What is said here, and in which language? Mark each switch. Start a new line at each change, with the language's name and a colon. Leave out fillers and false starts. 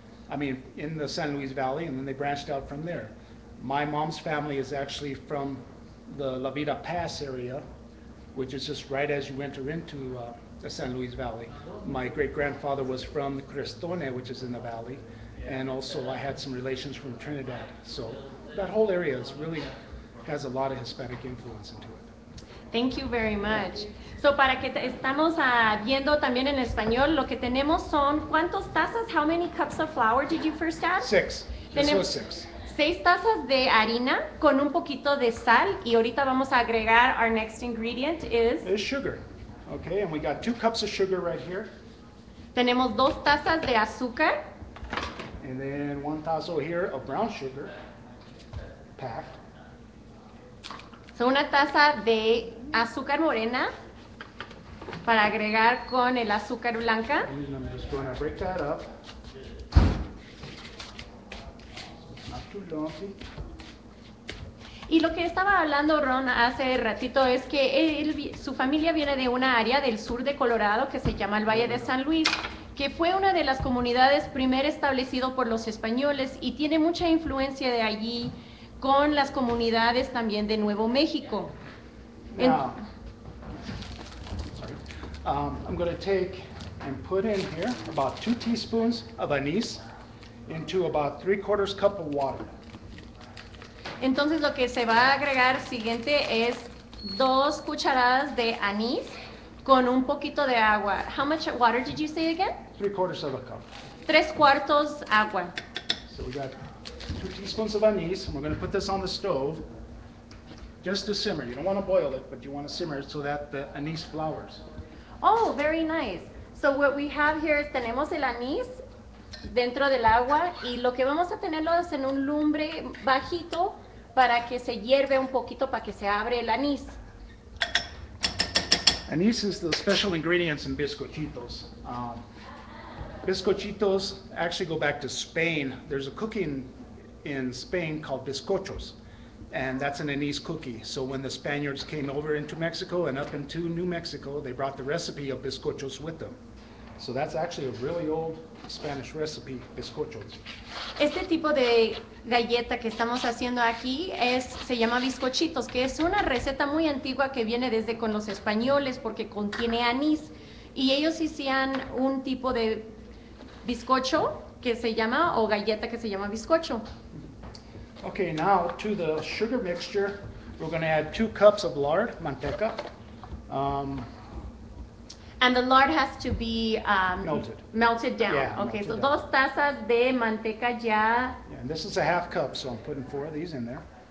English: I mean, in the San Luis Valley, and then they branched out from there. My mom's family is actually from the La Vida Pass area, which is just right as you enter into the San Luis Valley. My great-grandfather was from Crestone, which is in the valley. And also I had some relations from Trinidad. So that whole area is really has a lot of Hispanic influence into it. Thank you very much.
Spanish: So para que estamos viendo también en español, lo que tenemos son, ¿cuántos tazas?
English: How many cups of flour did you first add?
Spanish: 6. Tenemos 6. 6 tazas de harina con un poquito de sal, y ahorita vamos a agregar
English: our next ingredient is... It's sugar. Okay, and we got 2 cups of sugar right here.
Spanish: Tenemos 2 tazas de azúcar.
English: And then 1 tazo here of brown sugar, packed.
Spanish: So una taza de azúcar morena para agregar con el azúcar blanca.
English: And I'm just going to break that up. too daunting.
Spanish: Y lo que estaba hablando Ron hace ratito es que él, su familia viene de una área del sur de Colorado que se llama el Valle de San Luis, que fue una de las comunidades primer establecido por los españoles y tiene mucha influencia de allí con las comunidades también de Nuevo México.
English: I'm going to take and put in here about 2 teaspoons of anise into about 3/4 cup of water.
Spanish: Entonces lo que se va a agregar siguiente es 2 cucharadas de anís con un poquito de agua.
English: How much water did you say again? 3/4 cup.
Spanish: 3/4 agua.
English: So we got 2 teaspoons of anise, and we're going to put this on the stove just to simmer. You don't want to boil it, but you want to simmer it so that the anise flowers. Oh, very nice. So what we have here is
Spanish: tenemos el anís dentro del agua y lo que vamos a tenerlo es en un lumbre bajito para que se hierve un poquito para que se abre el anís.
English: Anise is the special ingredients in bizcochitos. Bizcochitos actually go back to Spain. There's a cooking in Spain called bizcochos, and that's an anise cookie. So when the Spaniards came over into Mexico and up into New Mexico, they brought the recipe of bizcochos with them. So that's actually a really old Spanish recipe, bizcochos.
Spanish: Este tipo de galleta que estamos haciendo aquí es, se llama bizcochitos, que es una receta muy antigua que viene desde con los españoles porque contiene anís. Y ellos hacían un tipo de bizcocho que se llama, o galleta que se llama bizcocho.
English: Okay, now to the sugar mixture, we're going to add 2 cups of lard, manteca. And the lard has to be melted down. Yeah, okay, melted so down.
Spanish: 2 tazas de manteca ya.
English: Yeah, and this is a 1/2 cup, so I'm putting 4 of these in there.